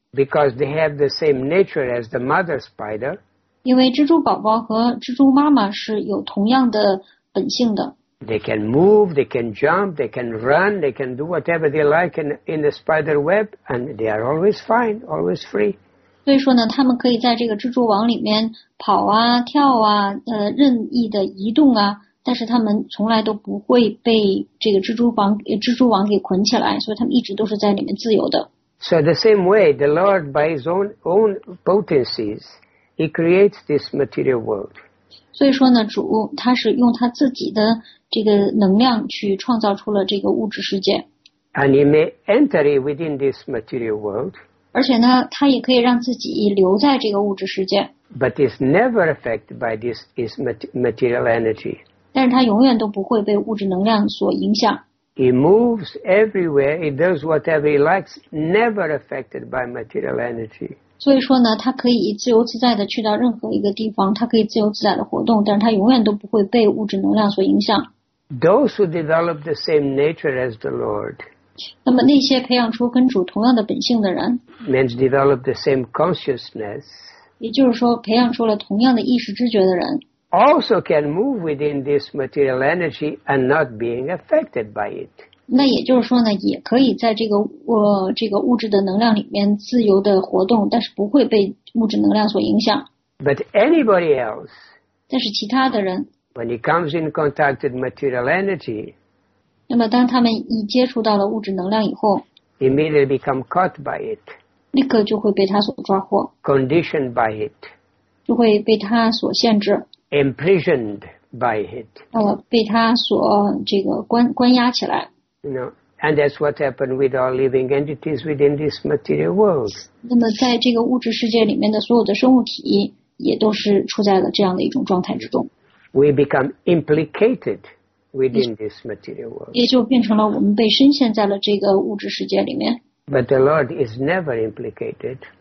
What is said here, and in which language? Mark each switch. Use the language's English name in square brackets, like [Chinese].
[English] Because they have the same nature as the mother spider. [Chinese] 因为蜘蛛宝宝和蜘蛛妈妈是有同样的。本性的。 [English] They can move, they can jump, they can run, they can do whatever they like in the spider web, and they are always fine, always free. [Chinese] 所以说呢，他们可以在这个蜘蛛网里面跑啊、跳啊、任意的移动啊，但是他们从来都不会被这个蜘蛛网给捆起来，所以他们一直都是在里面自由的。 [English] So the same way, the Lord by His own potencies, He creates this material world. [Chinese] 所以说呢，主他是用他自己的这个能量去创造出了这个物质世界。 [English] And he may enter it within this material world. [Chinese] 而且呢，他也可以让自己留在这个物质世界。 [English] But is never affected by this material energy. [Chinese] 但是它永远都不会被物质能量所影响。 [English] It moves everywhere. It does whatever it likes. Never affected by material energy. [Chinese] 所以说呢，它可以自由自在的去到任何一个地方，它可以自由自在的活动，但是它永远都不会被物质能量所影响。 [English] Those who develop the same nature as the Lord. [Chinese] 那么那些培养出跟主同样的本性的人 [English] means develop the same consciousness. [Chinese] 也就是说，培养出了同样的意识知觉的人。 [English] Also can move within this material energy and not being affected by it. [Chinese] 那也就是说呢，也可以在这个这个物质的能量里面自由的活动，但是不会被物质能量所影响。 [English] But anybody else, [Chinese] 但是其他的人 [English] when he comes in contact with material energy, [Chinese] 那么当他们一接触到了物质能量以后 [English] immediately become caught by it, [Chinese] 立刻就会被他所抓获 [English] conditioned by it, [Chinese] 就会被他所限制。 [English] Imprisoned by it. [Chinese] 被他所这个关押起来。 [English] No, and that's what happened with all living entities within this material world. [Chinese] 那么在这个物质世界里面的所有的生物体也都是处在了这样的一种状态之中。 [English] We become implicated within this material world. [Chinese] 也就变成了我们被深陷在了这个物质世界里面。 [English] But the Lord is never implicated.